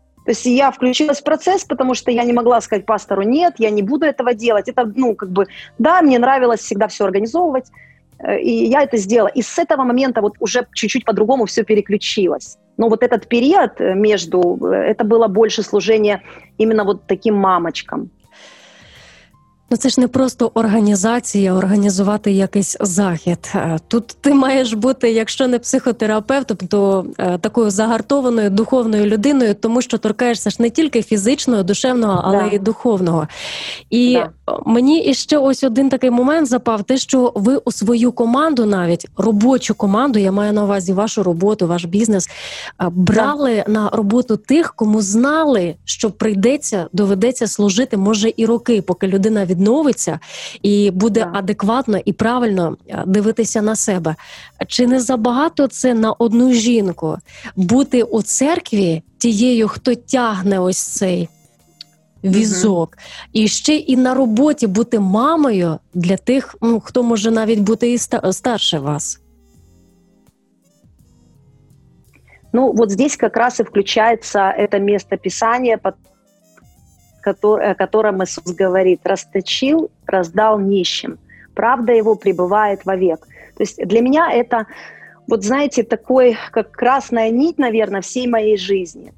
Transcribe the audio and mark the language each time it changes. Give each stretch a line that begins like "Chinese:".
Russian: То есть я включилась в процесс, потому что я не могла сказать пастору, нет, я не буду этого делать. Это, ну, как бы, да, мне нравилось всегда все организовывать, и я это сделала. И с этого момента вот уже чуть-чуть по-другому все переключилось. Но вот этот период между, это было больше служение именно вот таким мамочкам.
Ukrainian: Ну, це ж не просто організація, організувати якийсь захід. Тут ти маєш бути, якщо не психотерапевтом, то такою загартованою духовною людиною, тому що торкаєшся ж не тільки фізичного, душевного, але й духовного. І мені іще ось один такий момент запав, те, що ви у свою команду навіть, робочу команду, я маю на увазі вашу роботу, ваш бізнес, брали на роботу тих, кому знали, що прийдеться, доведеться служити, може і роки, поки людина відновиться і буде адекватно і правильно дивитися на себе. Чи не забагато це на одну жінку? Бути у церкві тією, хто тягне ось цей візок. Mm-hmm. І ще і на роботі бути мамою для тих, ну, хто може навіть бути і старше вас.
Russian: Ну, вот здесь как раз и включается это место писания, о котором Иисус говорит: «Расточил, раздал нищим, правда его пребывает вовек». То есть для меня это, вот знаете, такой, как красная нить, наверное, всей моей жизни.